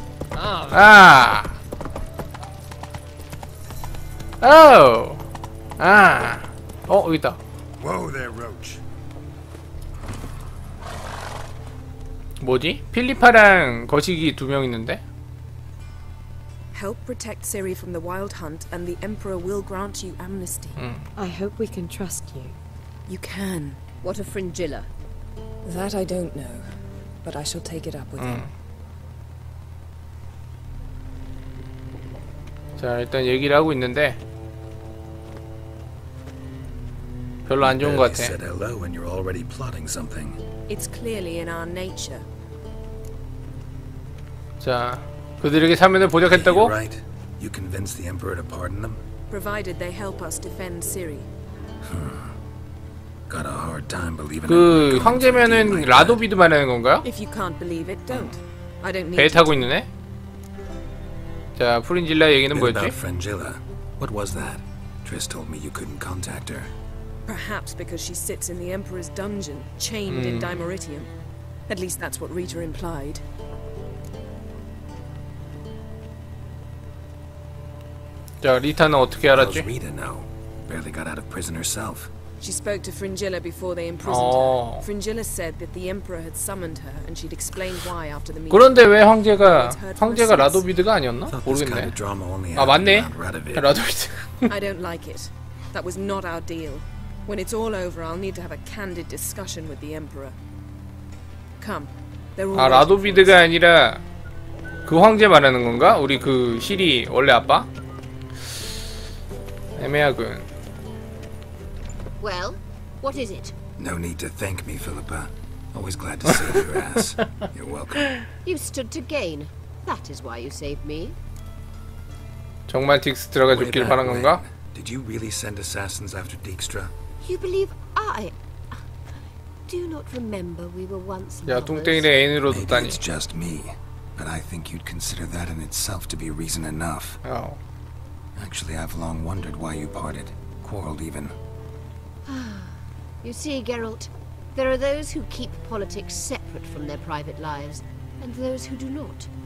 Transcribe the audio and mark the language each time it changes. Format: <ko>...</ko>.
<ko>아. 오우. 아. 어 여기 있다.</ko> <en>Whoa there, Roach.</en> <ko>뭐지? 필리파랑 거시기 두 명 있는데?</ko> <en>Help protect Ciri from the Wild Hunt, and the Emperor will grant you amnesty. I hope we can trust you. You can. What a Fringilla. That I don't know, but I shall take it up with him.</en> <ko>자 일단 얘기를 하고 있는데 별로 안 좋은 것 같아.</ko> <en>You said hello, and you're already plotting something. It's clearly in our nature. 자.</en> <ko>그들에게 사면을 보장했다고?</ko> <en>Right. You convince the Emperor to pardon them? Provided they help us defend Ciri. Got a hard time believing.</en> <ko>그 황제면은 라도비드 말하는 건가요?</ko> <en>If you can't believe it, don't. I don't need.</en> <ko>배 타고 있는데? 자, 프린질라 얘기는 뭐였지?</ko> <en>About Frangilla. What was that? Triss told me you couldn't contact her. Perhaps because she sits in the Emperor's dungeon, chained in Dimeritium. At least that's what Rita implied.</en> <ko>자 리타는 어떻게 알았지?</ko> <en>Rita now barely got out of prison herself. She spoke to Fringilla before they imprisoned her. Fringilla said that the Emperor had summoned her and she'd explained why after the meeting.</en> <ko>그런데 왜 황제가 라도비드가 아니었나? 모르겠네. 아 맞네. 라도비드.</ko> <en>I don't like it. That was not our deal. When it's all over, I'll need to have a candid discussion with the Emperor. Come.</en> <ko>아 라도비드가 아니라 그 황제 말하는 건가? 우리 그 시리 원래 아빠? 애매하군.</ko> <en>Well, what is it? No need to thank me, Philippa. Always glad to save your ass. You're welcome. You stood to gain. That is why you saved me.</en> <ko>정말 딕스트라가 죽길 바란 건가?</ko> <en>Did you really send assassins after Dijkstra? You believe I? Do you not remember we were once?</en> <ko>야, 뚱땡이네 애인으로 뒀다니.</ko> <en>Maybe it's just me, but I think you'd consider that in itself to be reason enough. Oh. Actually, I've long wondered why you parted, quarreled even. You see, Geralt, there are those who keep politics separate from their private lives, and those who do not.</en>